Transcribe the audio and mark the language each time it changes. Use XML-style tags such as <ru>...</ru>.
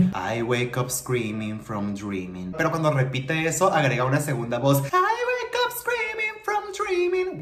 <en>I wake up screaming from dreaming.</en> <es>Pero cuando repite eso, agrega una segunda voz.</es> <en>I wake up screaming from dreaming.</en>